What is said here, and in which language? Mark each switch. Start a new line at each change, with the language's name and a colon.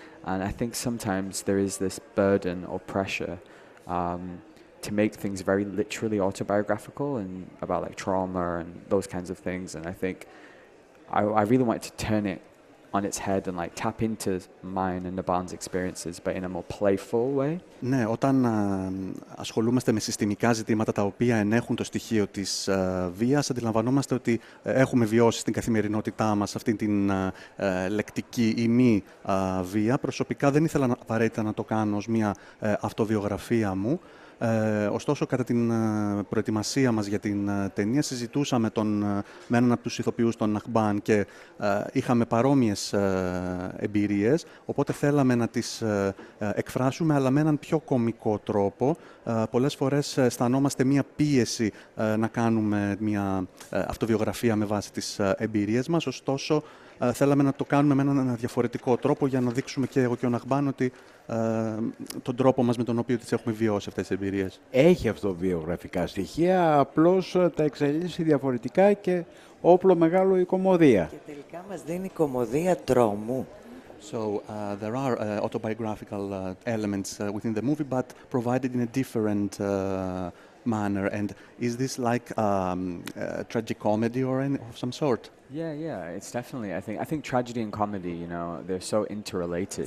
English: And I think sometimes there is this burden or pressure to make things very literally autobiographical and about like trauma and those kinds of things. And I think I really wanted to turn it on its head and like tap into mine and Naban's experiences, but in a more playful way.
Greek: Ναι, όταν ασχολούμαστε με συστημικά ζητήματα τα οποία ενέχουν το στοιχείο της βίας, αντιλαμβανόμαστε ότι έχουμε βιώσει στην καθημερινότητά μας αυτή την λεκτική ή μη βία. Προσωπικά δεν ήθελα απαραίτητα να το κάνω ως μια αυτοβιογραφία μου. Ωστόσο, κατά την προετοιμασία μας για την ταινία, συζητούσαμε με έναν από τους ηθοποιούς, τον Αχμπάν, και είχαμε παρόμοιες εμπειρίες. Οπότε θέλαμε να τις εκφράσουμε, αλλά με έναν πιο κωμικό τρόπο. Πολλές φορές αισθανόμαστε μία πίεση να κάνουμε μία αυτοβιογραφία με βάση τις εμπειρίες μας. Ωστόσο, θέλαμε να το κάνουμε με έναν διαφορετικό τρόπο για να δείξουμε και εγώ και ο Αχμπάν ότι τον τρόπο μας με τον οποίο τις έχουμε βιώσει αυτές τις εμπειρίες. Έχει αυτοβιογραφικά στοιχεία, απλώς τα εξελίσσει διαφορετικά και όπλο μεγάλο η κωμωδία. Και τελικά μας δίνει κωμωδία τρόμου.
English: So there are autobiographical elements within the movie, but provided in a different manner. And is this like a tragic comedy or any of some sort? Yeah, yeah, it's definitely. I think tragedy and comedy, you know, they're so interrelated.